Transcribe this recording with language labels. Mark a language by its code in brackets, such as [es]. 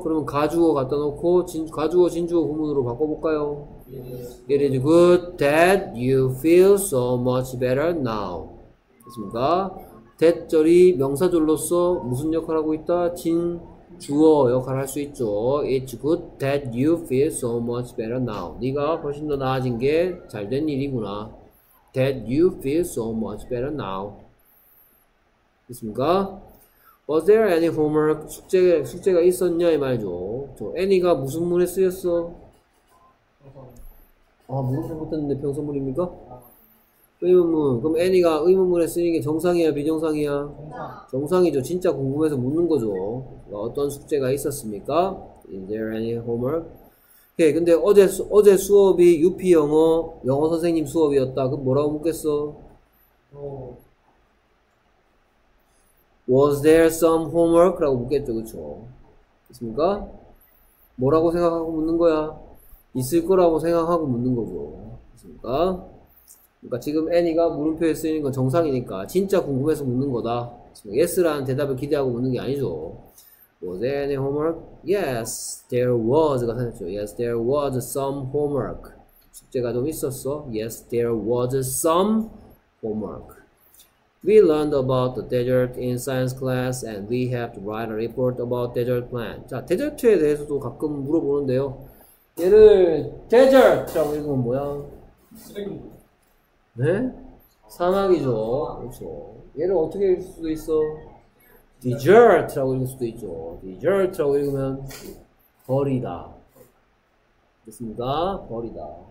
[ko] 그러면 가주어 갖다 놓고, 가주어 진주어 구문으로 바꿔볼까요? [en] Yes. It is good that you feel so much better now. [ko] 됐습니까? That절이 명사절로서 무슨 역할을 하고 있다? 진, 주어 역할을 할 수 있죠. [en] It's good that you feel so much better now. [ko] 네가 훨씬 더 나아진 게 잘 된 일이구나. [en] That you feel so much better now. [ko] 됐습니까? [en] Was there any homework? [ko] 숙제가 있었냐 이 말이죠. 저 any가 무슨 문에 쓰였어? 아, 무슨 잘못했는데 평소문입니까? 의문문. 그럼 애니가 의문문에 쓰는 게 정상이야, 비정상이야? 정상. 정상이죠. 진짜 궁금해서 묻는 거죠. 그러니까 어떤 숙제가 있었습니까? [en] Is there any homework? 오케이. [ko] 근데 어제 수업이 UP 영어 선생님 수업이었다. 그럼 뭐라고 묻겠어? [en] Was there some homework? [ko] 라고 묻겠죠. 그쵸? 됐습니까? 뭐라고 생각하고 묻는 거야? 있을 거라고 생각하고 묻는 거죠. 됐습니까? 그러니까 지금 애니가 물음표에 쓰이는 건 정상이니까 진짜 궁금해서 묻는 거다. Yes라는 대답을 기대하고 묻는 게 아니죠. [en] Was there any homework? Yes, there was [ko] 가 생겼죠. [en] Yes, there was some homework. [ko] 숙제가 좀 있었어. [en] Yes, there was some homework. We learned about the desert in science class and we have to write a report about desert plant. [ko] 자, 데저트에 대해서도 가끔 물어보는데요. 얘를 데저트라고 읽으면 뭐야? 쓰레기. 네? 사막이죠. 그렇죠. 얘를 어떻게 읽을 수도 있어? desert라고 읽을 수도 있죠. desert라고 읽으면 버리다. 됐습니까? 버리다.